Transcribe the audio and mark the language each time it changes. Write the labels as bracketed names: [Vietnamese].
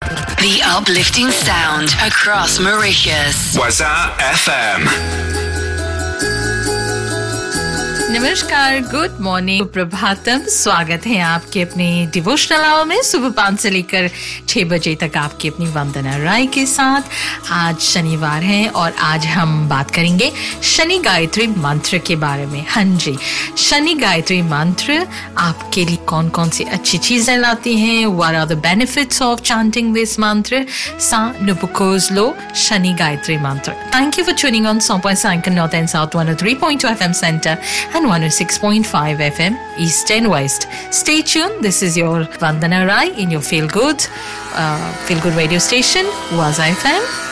[English] The uplifting sound across Mauritius. Wazaar FM. [Hindi] नमस्कार, [English] good morning, [Hindi] Prabhatam, स्वागत है आपके अपने डिवोशनल आवर में. सुबह 5 से लेकर 6 बजे तक आपकी अपनी वंदना राय के साथ. आज शनिवार है और आज हम बात करेंगे शनि गायत्री मंत्र के बारे में. हाँ जी, शनि गायत्री मंत्र आपके लिए कौन कौन सी अच्छी चीजें लाती हैं, [English] what are the benefits of chanting this mantra, [Hindi] सा नुपकोज लो शनि गायत्री मंत्र. [English] Thank you for tuning on 100.9 FM centre and 106.5 FM East and West. Stay tuned. This is your Vandana Rai in your feel good radio station, Wazaa FM.